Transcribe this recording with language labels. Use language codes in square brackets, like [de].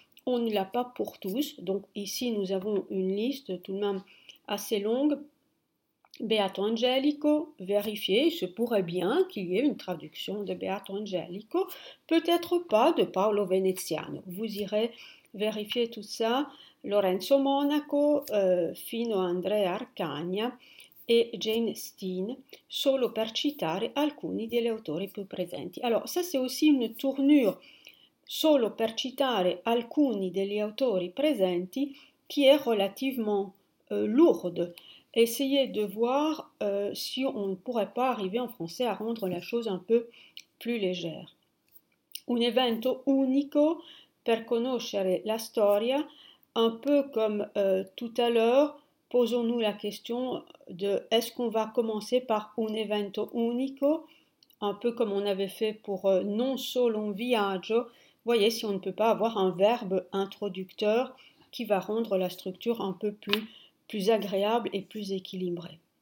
[fr] On ne l'a pas pour tous. Donc, ici, nous avons une liste tout de même assez longue. Beato Angelico, vérifiez. Il se pourrait bien qu'il y ait une traduction de Beato Angelico. Peut-être pas de Paolo Veneziano. Vous irez vérifier tout ça. [it] Lorenzo Monaco, Fino Andrea Arcagna e Jane Steen, solo per citare alcuni degli autori più presenti. [fr] Allora, ça c'est aussi une tournure, [it] solo per citare alcuni degli autori presenti, [fr] qui est relativement lourde. Essayez de voir si on ne pourrait pas arriver en français à rendre la chose un peu plus légère. [it] Un evento unico per conoscere la storia. [fr] Un peu comme tout à l'heure, posons-nous la question de est-ce qu'on va commencer par [it] un evento unico, [fr] un peu comme on avait fait pour [it] non solo un viaggio. [fr] Vous voyez, si on ne peut pas avoir un verbe introducteur qui va rendre la structure un peu plus agréable et plus équilibrée.